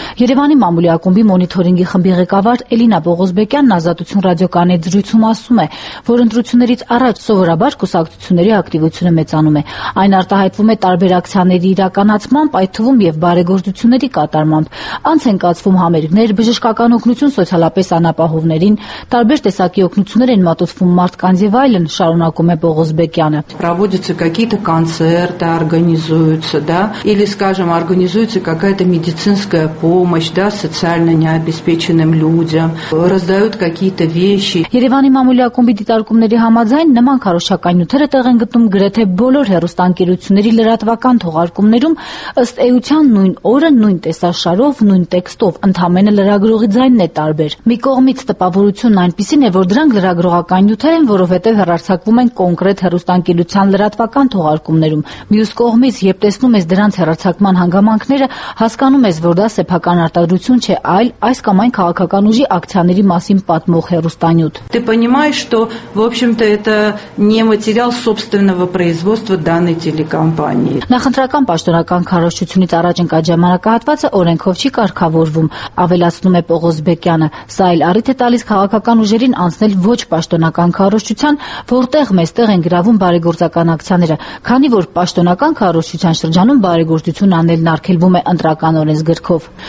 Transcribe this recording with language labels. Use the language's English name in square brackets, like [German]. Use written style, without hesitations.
[Armenian] Երևանի մամուլի ակումբի մոնիթորինգի խմբի ղեկավար Էլինա Պողոսբեկյանն Ազատություն ռադիոկանալի զրույցում ասում է, որ ընտրություններից առաջ սովորաբար կուսակցությունների ակտիվությունը ծանում է։ Այն արտահայտվում է տարբեր ակցիաների իրականացմամբ, այդ թվում եւ բարեգործությունների կատարմամբ։ Անց են կացվում համերգներ, բժշկական օգնություն սոցիալապես անապահովներին, տարբեր տեսակի օգնություններ են մատուցվում մարդկանց եւ այլն, շարունակում է Պողոսբեկյանը։ [Russian] Проводятся какие-то концерты, организуются, да, или, скажем, организуется какая-то медицинская помощь, да, социально необеспеченным людям, раздают какие-то вещи։ [Armenian] Երևանի մամուլի ակումբի դիտարկումների համաձայն նման քարոշական նյութերը տեղ են գտնում թե բոլոր հեռուստաընկերությունների լրատվական թողարկումներում, ըստ էության նույն օրը նույն տեսաշարով, նույն տեքստով ընդհանրեն լրագրողի ձայնն է տարբեր։ Մի կողմից տպավորությունն այնպիսին է, որ դրանք լրագրողական նյութեր են, որովհետև հեռարձակվում են կոնկրետ հեռուստաընկերության լրատվական թողարկումներում։ Մյուս կողմից, երբ տեսնում ես դրանց հեռարձակման հանգամանքները, հասկանում ես, որ դա սեփական արտադրություն չէ, այլ այս կամ այն քաղաքական ուժի ակցիաների մասին պատմող հեռուստանյութ։ [Russian] Ты понимаешь, что, в общем-то, это не материал собственного производства данной телекомпании. [Armenian] Նախընտրական պաշտոնական քարոշչությունից առաջ ընկած ժամանակահատվածը օրենքով չի կարգավորվում, ավելացնում է Պողոսբեկյանը։ Սա էլ առիթ է տալիս քաղաքական ուժերին անցնել ոչ պաշտոնական քարոշչության, որտեղ մեզտեղ են գրավում բարեգործական ակցիաները, քանի որ պաշտոնական քարոշչության շրջանում բարեգործություն անելն արգելվում է ընտրական օրենսգրքով։